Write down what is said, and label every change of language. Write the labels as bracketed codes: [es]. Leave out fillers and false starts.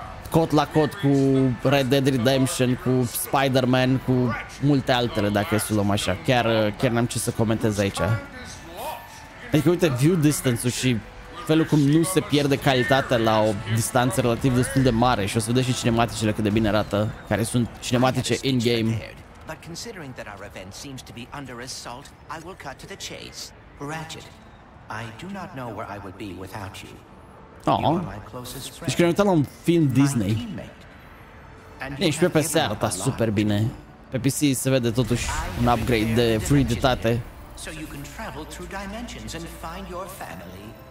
[ro] Cot la cot cu Red Dead Redemption, cu Spider-Man, cu multe altele, dacă să luăm așa. Chiar n-am ce să comentez aici. Adică uite, view distance-ul și felul cum nu se pierde calitatea la o distanță relativ destul de mare. Și o să vedeți și cinematicile cât de bine arată, care sunt cinematice in-game. [en] But considering that our event seems to be under assault, I will cut to the chase. Ratchet, I do not know where I would be without you. Aww. You are my closest friend. [ro] Film Disney. Ne, și pe PC arată super bine. Pe PC se vede totuși un upgrade de fluiditate. [en] So you can travel through dimensions and find your family.